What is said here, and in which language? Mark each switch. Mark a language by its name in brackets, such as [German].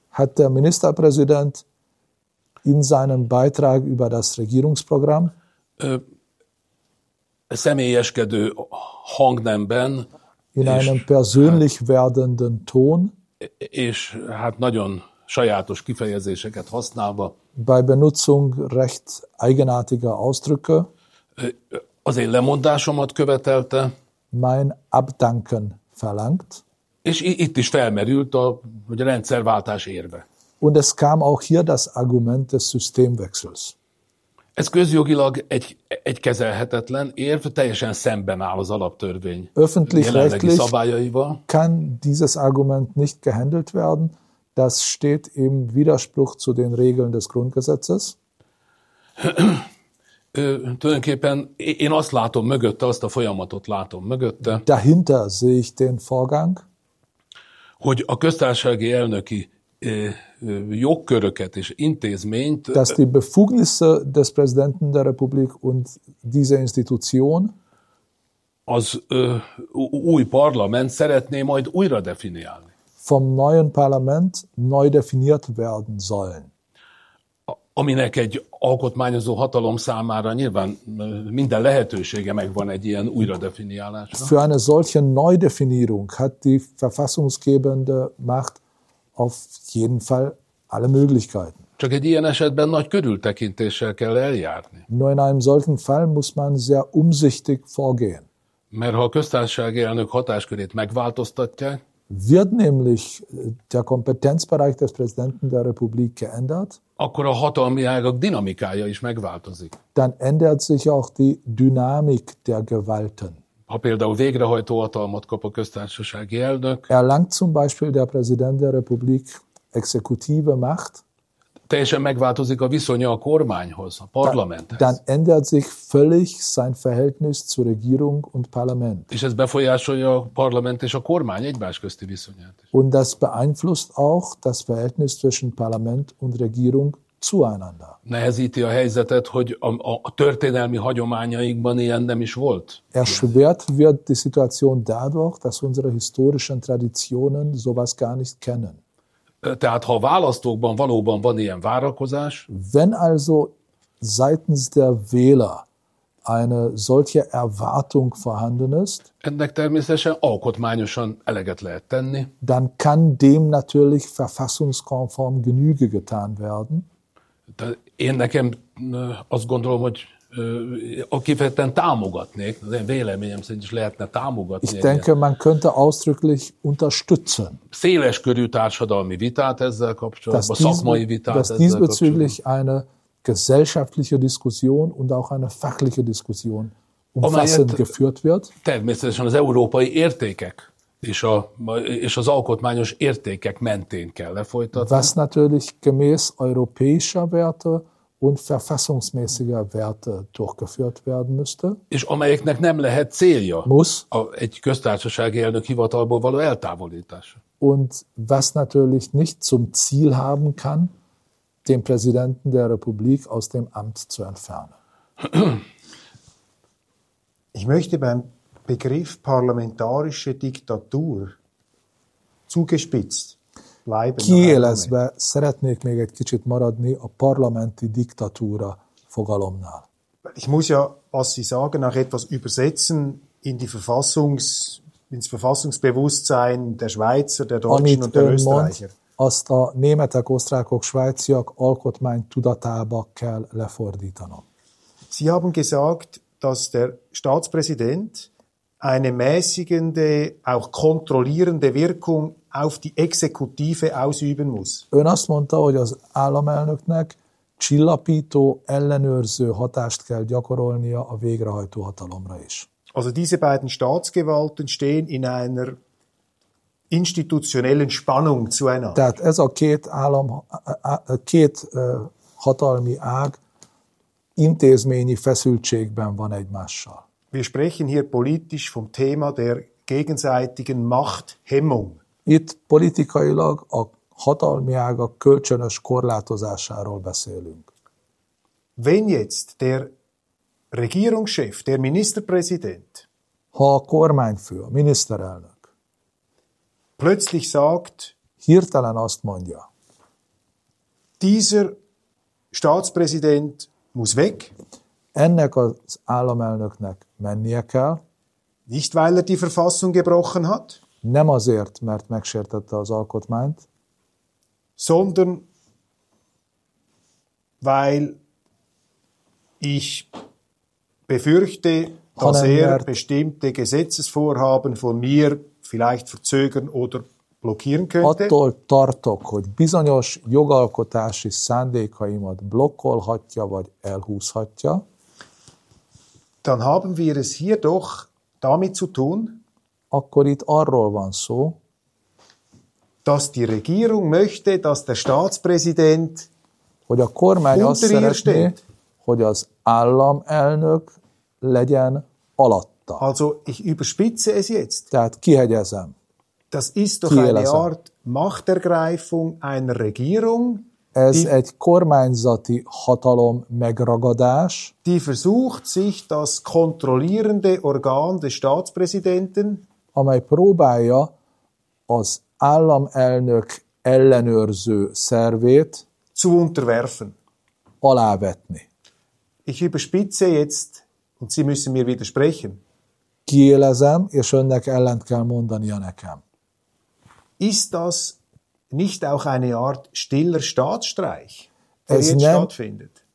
[German] hat der Ministerpräsident in seinem Beitrag über das Regierungsprogramm [Hungarian] személyeskedő hangnemben [German] in einem persönlich werdenden Ton [Hungarian] és hát nagyon sajátos kifejezéseket használva [German] bei Benutzung recht eigenartiger Ausdrücke [Hungarian] az én lemondásomat követelte [German] mein Abdanken verlangt [Hungarian] és itt is felmerült a hogy a rendszerváltás érve. [German] Und es kam auch hier das Argument des Systemwechsels. [Hungarian] Ez közjogilag egy kezelhetetlen érv, teljesen szemben áll az alaptörvény jelenlegi szabályaival. [German] Kann dieses Argument nicht gehandelt werden, das steht im Widerspruch zu den Regeln des Grundgesetzes. [Hungarian] Tulajdonképpen én azt látom mögötte, azt a folyamatot látom mögötte. [German] Dahinter sehe ich den Vorgang. [Hungarian] Hogy a köztársasági elnöki jogköröket és intézményt, [German] dass die Befugnisse des Präsidenten der Republik und diese Institution [Hungarian] az új parlament szeretné majd újra definiálni. [German] Vom neuen Parlament neu definiert werden sollen. [Hungarian] Aminek egy alkotmányozó hatalom számára nyilván minden lehetősége megvan egy ilyen újradefiniálásra. [German] Für eine solche Neudefinierung hat die verfassungsgebende Macht auf jeden Fall alle Möglichkeiten. [Hungarian] Csak egy ilyen esetben nagy körültekintéssel kell eljárni. [German] Nur in einem solchen Fall muss man sehr umsichtig vorgehen. [Hungarian] Mert ha a köztársasági elnök hatáskörét megváltoztatják, [German] wird nämlich der Kompetenzbereich des Präsidenten der Republik geändert, [Hungarian] akkor a hatalmi ágak dinamikája is megváltozik. [German] Dann ändert sich auch die Dynamik der Gewalten. [Hungarian] Ha például végrehajtó hatalmat kap a köztársasági elnök, [German] erlangt zum Beispiel der Präsident der Republik exekutive Macht, [Hungarian] teljesen megváltozik a viszonya a kormányhoz, a parlamenthez. [German] Dann ändert sich völlig sein Verhältnis zu Regierung und Parlament. [Hungarian] És ez befolyásolja a parlament és a kormány egymás közti viszonyát is. [German] Und das beeinflusst auch das Verhältnis zwischen Parlament und Regierung zueinander. [Hungarian] Nehezíti a helyzetet, hogy a történelmi hagyományainkban ilyen nem is volt. [German] Erschwert wird die Situation dadurch, dass unsere historischen Traditionen sowas gar nicht kennen. [Hungarian] Tehát, ha a választókban valóban van ilyen várakozás, [German] wenn also seitens der Wähler eine solche Erwartung vorhanden ist, [Hungarian] ennek természetesen alkotmányosan eleget lehet tenni, [German] dann kann dem natürlich verfassungskonform Genüge getan werden. [Hungarian] De én nekem azt gondolom, hogy kifejezetten támogatnék, az én véleményem szerint is lehetne támogatni. [German] Ich denke, man könnte ausdrücklich unterstützen. [Hungarian] Széles körű társadalmi vitát ezzel kapcsolatban, szakmai vitát ezzel kapcsolatban. [German] Dass diesbezüglich eine gesellschaftliche Diskussion und auch eine fachliche Diskussion umfassend geführt wird. [Hungarian] Természetesen az európai értékek és az alkotmányos értékek mentén kell lefolytatni. [German] Was natürlich gemäß europäischer Werte und verfassungsmäßiger Werte durchgeführt werden müsste. [Hungarian] És amelyeknek nem lehet célja [German] muss, [Hungarian] egy köztársasági elnök hivatalból való eltávolítása. [German] Und was natürlich nicht zum Ziel haben kann, den Präsidenten der Republik aus dem Amt zu entfernen. Ich möchte beim Begriff parlamentarische Diktatur zugespitzt [Hungarian] kielezve szeretnék még egy kicsit maradni a parlamenti diktatúra fogalomnál. [German] Ich muss ja, was Sie sagen, nach etwas übersetzen in die ins Verfassungsbewusstsein der Schweizer, der Deutschen [Hungarian] amit [German] und der Österreicher. [Hungarian] Mond, azt a németek, osztrákok, svájciak alkotmány tudatába kell lefordítanom. [German] Sie haben gesagt, dass der Staatspräsident eine mäßigende, auch kontrollierende Wirkung auf die Exekutive ausüben muss. [Hungarian] Ön azt mondta, hogy az államelnöknek csillapító, ellenőrző hatást kell gyakorolnia a végrehajtó hatalomra is. [German] Also diese beiden Staatsgewalten stehen in einer institutionellen Spannung zueinander. [Hungarian] Tehát ez a két állam, két hatalmi ág intézményi feszültségben van egymással. [German] Wir sprechen hier politisch vom Thema der gegenseitigen Machthemmung. [Hungarian] Itt politikailag a hatalmi ágak kölcsönös korlátozásáról beszélünk. [German] Wenn jetzt der Regierungschef, der Ministerpräsident, [Hungarian] ha a kormányfő, a miniszterelnök [German] plötzlich sagt, [Hungarian] hirtelen azt mondja, [German] dieser Staatspräsident muss weg, [Hungarian] ennek az államelnöknek mennie kell, [German] nicht weil er die Verfassung gebrochen hat, [Hungarian] nem azért, mert megsértette az alkotmányt, [German] sondern weil ich befürchte, dass er bestimmte Gesetzesvorhaben von mir vielleicht verzögern oder blockieren könnte. [Hungarian] Attól tartok, hogy bizonyos jogalkotási szándékaimat blokkolhatja vagy elhúzhatja. [German] Dann haben wir es hier doch damit zu tun, [Hungarian] akkor itt arról van szó, [German] dass die Regierung möchte, dass der Staatspräsident, [Hungarian] hogy a kormány azt szeretné, hogy az államelnök legyen alatta. [German] Also ich überspitze es jetzt. [Hungarian] Tehát kihegyezem. [German] Das ist doch [Hungarian] kihegyezem. [German] Eine Art Machtergreifung einer Regierung. [Hungarian] Ez [German] die, [Hungarian] egy kormányzati hatalom megragadás. [German] Die versucht sich das kontrollierende Organ des Staatspräsidenten, [Hungarian] amely próbálja az államelnök ellenőrző szervét [German] zu unterwerfen. [Hungarian] Alávetni. [German] Ich überspitze jetzt, und Sie müssen mir widersprechen. [Hungarian] Kiélezem, és önnek ellent kell mondania nekem. [German] Ist das nicht auch eine Art stiller Staatsstreich, der jetzt [Hungarian] nem, [German] stattfindet?